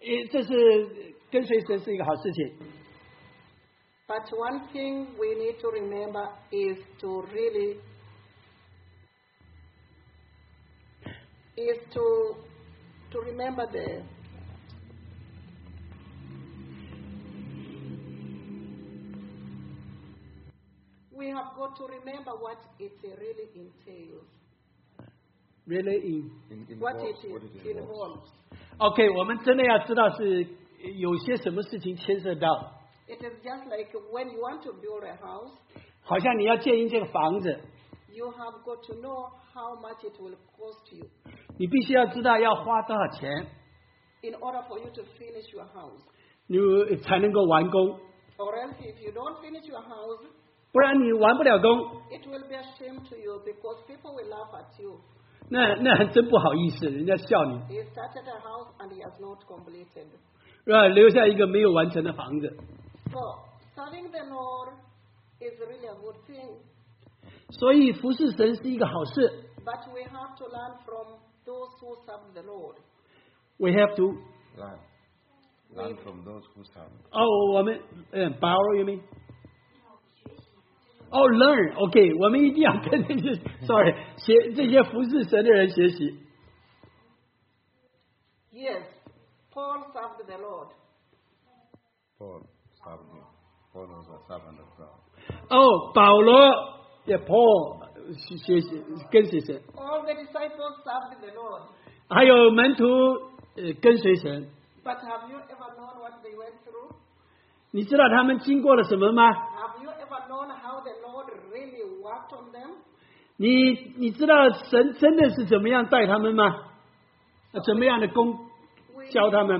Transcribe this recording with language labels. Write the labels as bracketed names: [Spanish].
[Chinese] 这是跟随神是一个好事情。 [English] But one thing we need to remember is to really is to remember the we have got to remember what it really entails. Really involves. What it involves. [Chinese] Okay, 我们真的要知道是有些什么事情牵涉到。 [English] It is just like when you want to build a house. [Chinese] 好像你要建一间房子。 [English] You have got to know how much it will cost you. [Chinese] 你必须要知道要花多少钱。 [English] In order for you to finish your house. [Chinese] 你才能够完工。 [English] Or else if you don't finish your house. [Chinese] 不然你完不了工。 [English] It will be a shame to you because people will laugh at you. [Chinese] 那真不好意思，人家笑你。 [English] You started a house and it has not completed. [Chinese] 留下一个没有完成的房子。 [English] So, serving the Lord is really a good thing. [Chinese] 所以服侍神是一个好事。 [English] But we have to learn from those who serve the Lord. We have to learn. Learn from those who serve. Oh, [Chinese] 我们 [English] borrow you mean? Oh, learn. [Chinese] Okay, 我们一定要跟那些 sorry 这些服侍神的人学习。 [English] Yes, Paul served the Lord. Paul. Paul was a servant of God. Oh, Paul, yeah, Paul, she, all the disciples served the Lord. [Chinese] 还有门徒, [English] but have you ever known what they went through? [Chinese] 你知道他们经过了什么吗? [English] Have you ever known how the Lord really worked on them? [Chinese] 你知道神真的是怎么样带他们吗? 怎么样的工教他们?